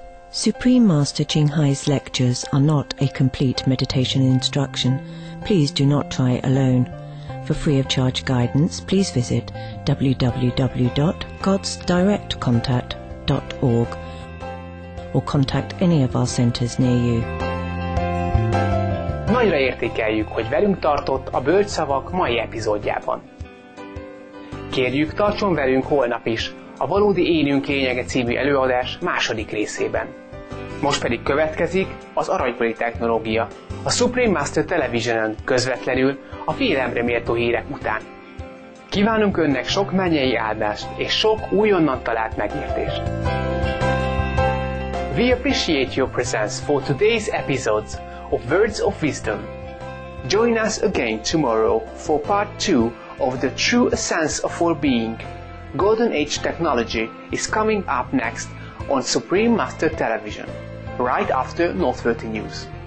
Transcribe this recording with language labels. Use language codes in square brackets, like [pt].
[en] Supreme Master Qinghai's lectures are not a complete meditation instruction. Please do not try alone. For free of charge guidance, please visit www.godsdirectcontact.org or contact any of our centers near you. [hu] Nagyra értékeljük, hogy velünk tartott a Bölcsszavak mai epizódjában. Kérjük, tartson velünk holnap is a Valódi Énünk Lényege című előadás második részében. Most pedig következik az aranykori technológia, a Supreme Master Televisionen közvetlenül a félelemre méltó hírek után. Kívánunk Önnek sok mennyei áldást és sok újonnan talált megértést! [en] We appreciate your presence for today's episodes of Words of Wisdom. Join us again tomorrow for part 2 of The True Essence of Our Being. Golden Age Technology is coming up next on Supreme Master Television, right after Northworthy News.